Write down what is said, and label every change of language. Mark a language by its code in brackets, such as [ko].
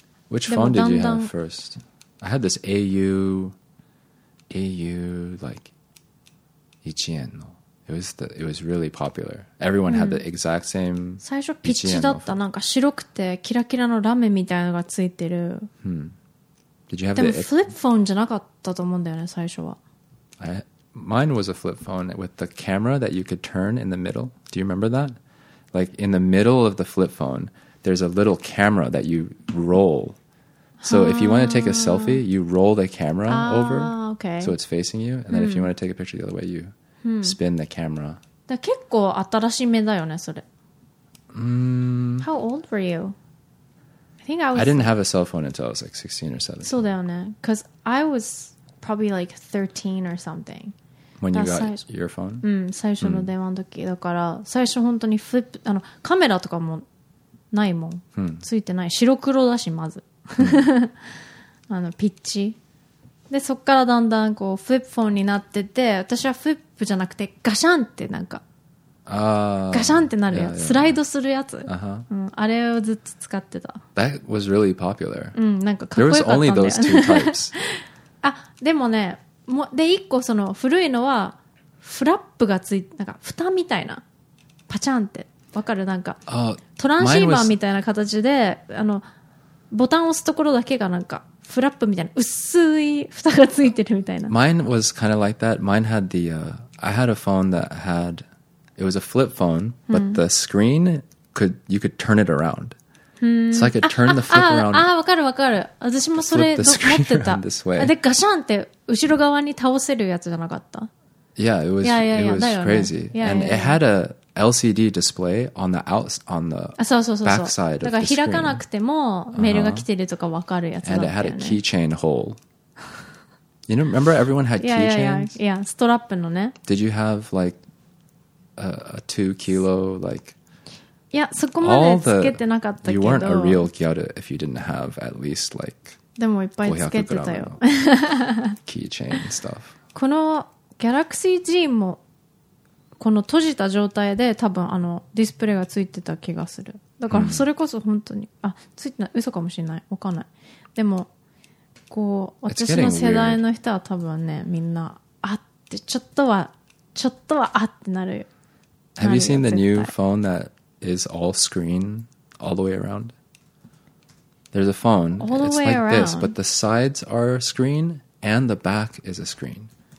[en] Which phone did you have first? I had this AU like [ja] 1円の。 [en] It was really popular. Everyone had the exact same [ja] 最初ピッチだった。なんか白くてキラキラのラメみたいなのがついてる。 [en] Did you have [ja] でもフリップフォンじゃなかったと思うんだよね、最初は。 [en] Mine was a flip phone with the camera that you could turn in the middle. Do you remember that? Like in the middle of the flip phone, there's a little camera that you roll. So if you want to take a selfie, you roll the camera over. Okay. So it's facing you. And then if you want to take a picture the other way, you spin the camera. [ja] だ結構新しい目だよね、それ。 [en] How old were you? I didn't have a cell phone until I was like 16 or 17. [ja] そうだよね。 [en] Because I was probably like 13 or something. When you got your phone? [ja] うん、最初の電話の時、mm. だから最初本当にフリップ、あのカメラとかもないもん、mm. ついてない、白黒だしまず、mm. あのピッチで、そっからだんだんこうフリップフォンになってて、私はフリップじゃなくてガシャンってなんか、ガシャンってなるやつ、スライドするやつ、 uh-huh. うん、あれをずっと使ってた。 [en] That was really popular. [ja] うん、なんかかっこよかったんだよね。 [en] There was only those two types. [ja] あ、でもね、もで一個その古いのはフラップがついて、なんか蓋みたいな、パチャンってわかる、なんか、トランシーバーみたいな形で、あのボタンを押すところだけがなんかフラップみたいな薄い蓋がついてるみたいな。 [en] Mine was kind of like that. Mine had the、I had a phone that had it was a flip phone, but、うん、the screen could you could turn it around. So I could turn the flip around. [ja] ああ、わかるわかる。私もそれ持ってた。でガシャンって後ろ側に倒せるやつじゃなかった [en] ？Yeah, it was crazy. And it had a LCD display on the back side of the screen. [ja] だから開かなくてもメールが来てるとかわかるやつだった [en] よね。And it had a keychain hole. You know, remember everyone had keychains? [ja] Yeah, ストラップのね。 [en] Did you have like a 2 kilo like? [ja] いや、そこまでつけてなかったけど。 [en] You weren't a real gyaru if you didn't have at least like. [ja] でもいっぱいつけてたよ。 [en] keychain stuff. [ja] このギャラクシー G も。この閉じた状態で多分あのディスプレイがついてた気がする。だからそれこそ本当に、うん、あついてない、嘘かもしれない、わかんない。でもこう私の世代の人は多分ね、みんなあってちょっとはあってなるよ。 [en] Have you seen the new phone that is all screen all the way around? There's a phone all the way around. It's like this, but the sides are screen and the back is a screen.